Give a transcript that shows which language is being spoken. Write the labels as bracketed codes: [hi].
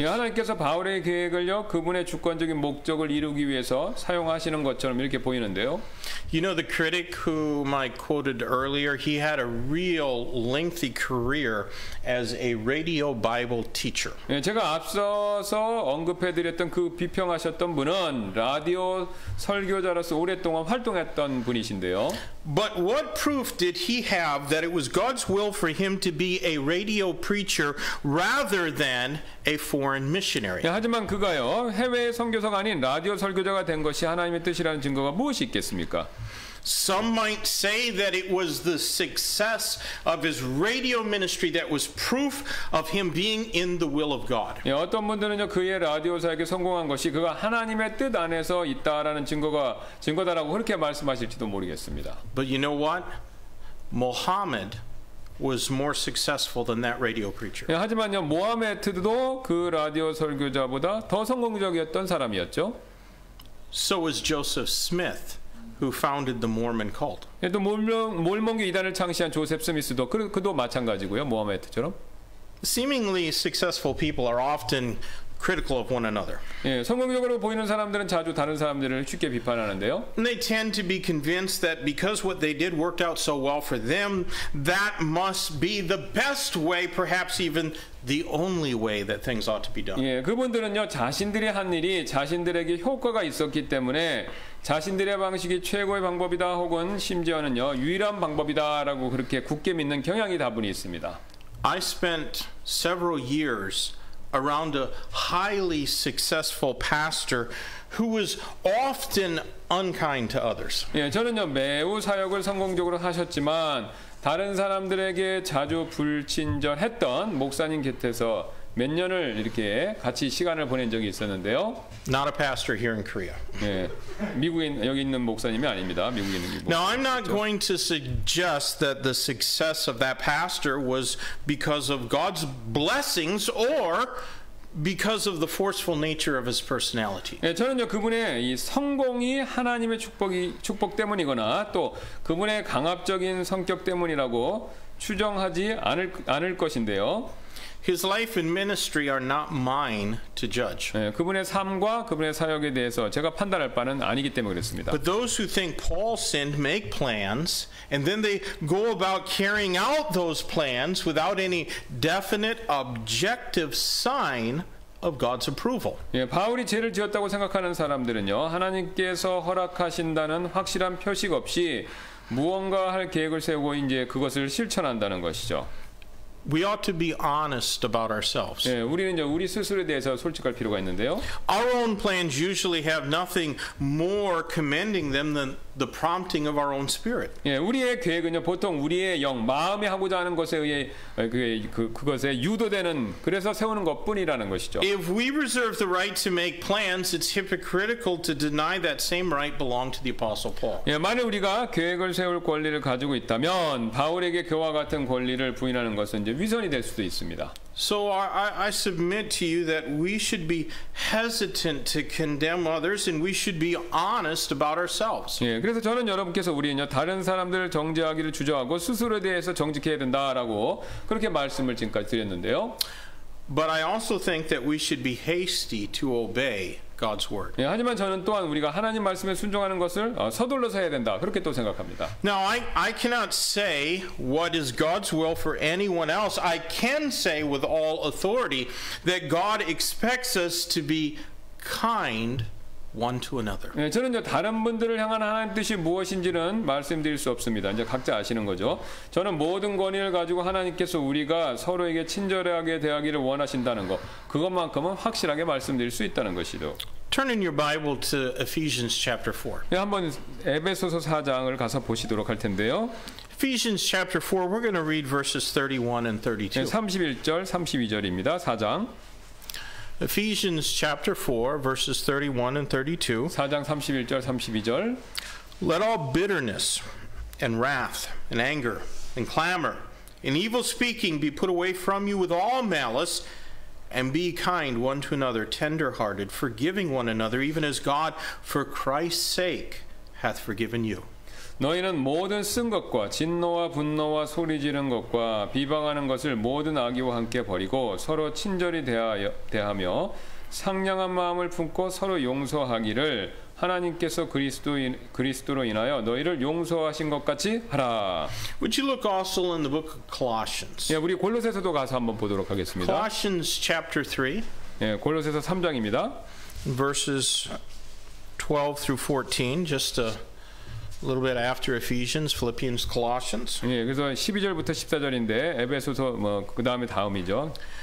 [ko] 예, 하나님께서 바울의 계획을요 그분의 주권적인 목적을 이루기 위해서 사용하시는 것처럼 이렇게 보이는데요. [en] You know the critic whom I quoted earlier. He had a real lengthy career as a radio Bible teacher. [ko] 예, 제가 앞서서 언급해드렸던 그 비평하셨던 분은 라디오 설교자로서 오랫동안 활동했던 분이신데요. [en] But what proof did he have that it was God's will for him to be a radio preacher rather than a foreign missionary? [ko] 예, 하지만 그가요 해외 선교사가 아닌 라디오 설교자가 된 것이 하나님의 뜻이라는 증거가 무엇이 있겠습니까? [en] Some might say that it was the success of his radio ministry that was proof of him being in the will of God. [ko] 예, 어떤 분들은요 그의 라디오 사역에 성공한 것이 그가 하나님의 뜻 안에서 있다라는 증거다라고 그렇게 말씀하실지도 모르겠습니다. [en] But you know what? Muhammad was more successful than that radio preacher. [ko] 예, 하지만요 모하메드도 그 라디오 설교자보다 더 성공적이었던 사람이었죠. [en] So was Joseph Smith. Who founded the Mormon cult? [ko] 예, 또 몰몬교 이단을 창시한 조셉 스미스도 그도 마찬가지고요. 모하메드처럼. [en] Seemingly successful people are often critical of one another. [ko] 예, 성공적으로 보이는 사람들은 자주 다른 사람들을 쉽게 비판하는데요. [en] And they tend to be convinced that because what they did worked out so well for them, that must be the best way, perhaps even the only way that things ought to be done. [ko] 예, 그분들은요 자신들이 한 일이 자신들에게 효과가 있었기 때문에 자신들의 방식이 최고의 방법이다 혹은 심지어는요 유일한 방법이다라고 그렇게 굳게 믿는 경향이 다분히 있습니다. [en] I spent several years around a highly successful pastor who was often unkind to others. [ko] 예, 저는요 매우 사역을 성공적으로 하셨지만 다른 사람들에게 자주 불친절했던 목사님 곁에서 몇 년을 이렇게 같이 시간을 보낸 적이 있었는데요. [en] Not a pastor here in Korea. [ko] 네, 미국인 여기 있는 목사님이 아닙니다. 미국에 있는 목사님. [en] Now I'm not going to suggest that the success of that pastor was because of God's blessings or because of the forceful nature of his personality. [ko] 네, 저는요 그분의 이 성공이 하나님의 축복 때문이거나 또 그분의 강압적인 성격 때문이라고 추정하지 않을 것인데요. [en] His life and ministry are not mine to judge. [ko] 예, 그분의 삶과 그분의 사역에 대해서 제가 판단할 바는 아니기 때문에 그렇습니다. [en] But those who think Paul sinned make plans and then they go about carrying out those plans without any definite objective sign of God's approval. [ko] 예, 바울이 죄를 지었다고 생각하는 사람들은요. 하나님께서 허락하신다는 확실한 표식 없이 무언가 할 계획을 세우고 이제 그것을 실천한다는 것이죠. [en] We ought to be honest about ourselves. [ko] 예, 우리는 우리 스스로에 대해서 솔직할 필요가 있는데요. [en] Our own plans usually have nothing more commending them than the prompting of our own spirit. [ko] 예, 우리의 계획은요 보통 우리의 영, 마음이 하고자 하는 것에 의해 그것에 유도되는 그래서 세우는 것뿐이라는 것이죠. [en] If we reserve the right to make plans, it's hypocritical to deny that same right belong to the apostle Paul. [ko] 예, 만약 우리가 계획을 세울 권리를 가지고 있다면 바울에게 그와 같은 권리를 부인하는 것은 이제 위선이 될 수도 있습니다. [en] So I submit to you that we should be hesitant to condemn others and we should be honest about ourselves. [ko] 예, 그래서 저는 여러분께서 우리는요 다른 사람들을 정죄하기를 주저하고 스스로에 대해서 정직해야 된다라고 그렇게 말씀을 지금까지 드렸는데요. [en] But I also think that we should be hasty to obey God's word. [ko] 예, 하지만 저는 또한 우리가 하나님 말씀에 순종하는 것을 서둘러서 해야 된다. 그렇게 또 생각합니다. [en] Now I cannot say what is God's will for anyone else. I can say with all authority that God expects us to be kind one to another. [ko] 예, 저는 이제 다른 분들을 향한 하나님 뜻이 무엇인지는 말씀드릴 수 없습니다. 이제 각자 아시는 거죠. 저는 모든 권위를 가지고 하나님께서 우리가 서로에게 친절하게 대하기를 원하신다는 것, 그것만큼은 확실하게 말씀드릴 수 있다는 것이죠. [en] Turn in your Bible to Ephesians chapter 4. [ko] 예, 한번 에베소서 4장을 가서 보시도록 할 텐데요. [en] Ephesians chapter 4, we're going to read verses 31 and 32. [ko] 예, 31절, 32절입니다. 4장. [en] Ephesians chapter 4, verses 31 and 32. [ko] 4장 31절, 32절. [en] Let all bitterness and wrath and anger and clamor and evil speaking be put away from you with all malice. And be kind one to another, tender-hearted, forgiving one another, even as God, for Christ's sake, hath forgiven you. [ko] 너희는 모든 쓴 것과 진노와 분노와 소리 지른 것과 비방하는 것을 모든 악의와 함께 버리고 서로 친절히 대하며 상냥한 마음을 품고 서로 용서하기를 하나님께서 그리스도로 인하여 너희를 용서하신 것 같이 하라. [en] Would you look also in the book of Colossians? [ko] 예, 우리 골로새서도 가서 한번 보도록 하겠습니다. [en] Colossians chapter 3. [ko] 예, 골로새서 3장입니다. [en] Verses 12 through 14, just a little bit after Ephesians, Philippians, Colossians. [ko] 예, 그래서 12절부터 14절인데 에베소서 뭐 그다음에 다음이죠.